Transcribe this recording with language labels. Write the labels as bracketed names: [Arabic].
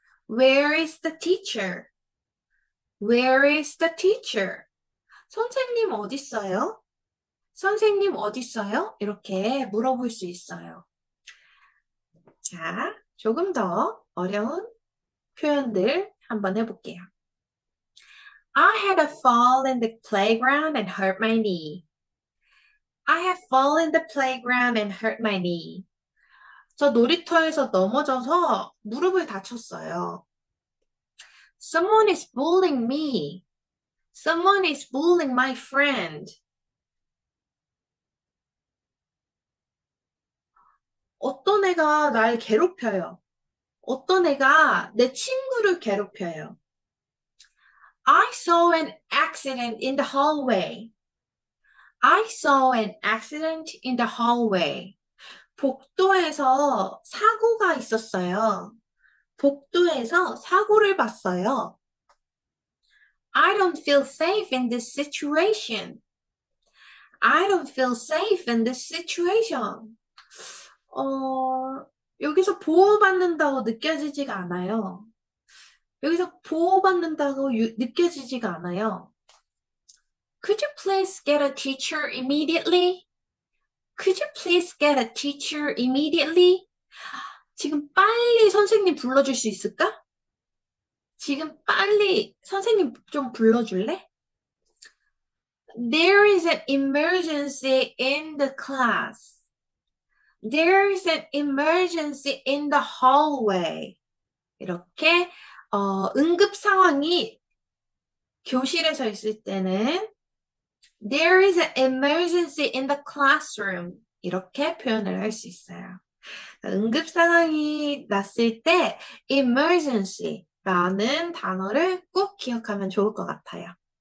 [English] Where is the teacher? Where is the teacher? [Korean] 선생님 어디 있어요? 선생님 어디 있어요? 이렇게 물어볼 수 있어요. 자, 조금 더 어려운 표현들 한번 해볼게요. [English] I had a fall in the playground and hurt my knee. I have fallen in the playground and hurt my knee. [Korean] 저 놀이터에서 넘어져서 무릎을 다쳤어요. [English] Someone is bullying me. Someone is bullying my friend. [Korean] 어떤 애가 날 괴롭혀요. 어떤 애가 내 친구를 괴롭혀요. [English] I saw an accident in the hallway. I saw an accident in the hallway. [Korean] 복도에서 사고가 있었어요. 복도에서 사고를 봤어요. [English] I don't feel safe in this situation. I don't feel safe in this situation. [Korean] 여기서 보호받는다고 느껴지지가 않아요. 여기서 보호받는다고 느껴지지가 않아요. [English] Could you please get a teacher immediately? Could you please get a teacher immediately? [Korean] 지금 빨리 선생님 불러줄 수 있을까? 지금 빨리 선생님 좀 불러줄래? [English] There is an emergency in the class. There is an emergency in the hallway. [Korean] 이렇게 응급 상황이 교실에서 있을 때는 [English] There is an emergency in the classroom. [Korean] 이렇게 표현을 할수 있어요. 응급 상황이 났을 때 emergency라는 단어를 꼭 기억하면 좋을 것 같아요.